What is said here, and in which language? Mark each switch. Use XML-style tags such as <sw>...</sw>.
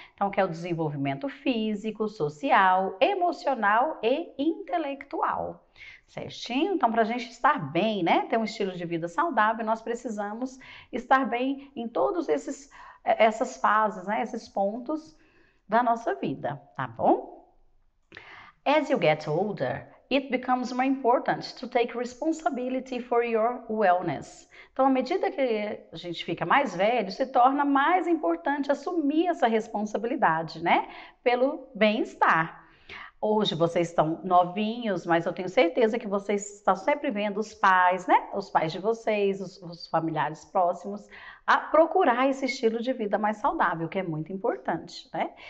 <pt>Então, que é o desenvolvimento físico, social, emocional e intelectual. Certinho? Então, para a gente estar bem, né? Ter um estilo de vida saudável, nós precisamos estar bem em todos esses essas fases, né? Esses pontos da nossa vida, tá bom?</pt> <en>As you get older, it becomes more important to take responsibility for your wellness.</en> <pt>Então, à medida que a gente fica mais velho, se torna mais importante assumir essa responsabilidade, né? Pelo bem-estar. Hoje vocês estão novinhos, mas eu tenho certeza que vocês estão sempre vendo os pais, né? Os pais de vocês, os familiares próximos, a procurar esse estilo de vida mais saudável, que é muito importante, né?</pt>